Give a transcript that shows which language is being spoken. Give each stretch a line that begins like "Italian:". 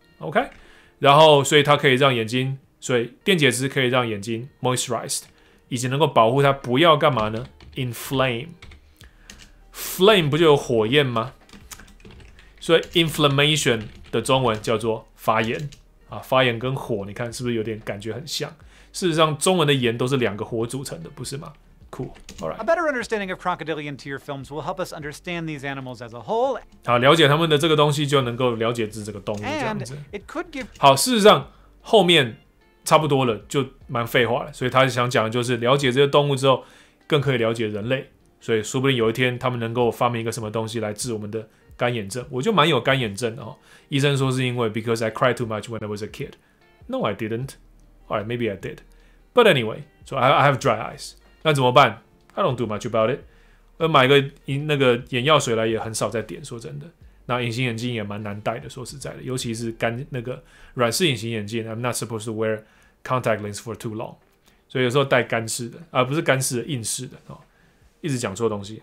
Chinese: OK， 然后所以它可以让眼睛，所以电解质可以让眼睛 moisturized， 以及能够保护它不要干嘛呢 ？inflame， flame 不就有火焰吗？所以 inflammation 的中文叫做发炎、啊、发炎跟火你看是不是有点感觉很像，事实上中文的炎都是两个火组成的，不是吗？
English: Cool. All right. A better understanding of crocodilian tear films will help us understand these animals as a whole.
Chinese: 好，了解他们的这个东西就能够了解这个动物这样子。
English: And it could give...
Chinese: 好，事实上后面差不多了，就蛮废话了，所以他想讲的就是了解这些动物之后更可以了解人类，所以说不定有一天他们能够发明一个什么东西来治我们的干眼症，我就蛮有干眼症的、哦、医生说是因为
English: because I cried too much when I was a kid. No, I didn't. Alright, maybe I did. But anyway, so I have dry eyes.
Chinese: 那怎么办？
English: I don't do much about it.
Chinese: 我买个那个眼药水来也很少在点，说真的。那隐形眼镜也蛮难戴的，说实在的，尤其是干那个软式隐形眼镜，
English: I'm not supposed to wear contact lens for too long.
Chinese: 所以有时候戴干式的，不是干式的，硬式的、哦、一直讲错东西。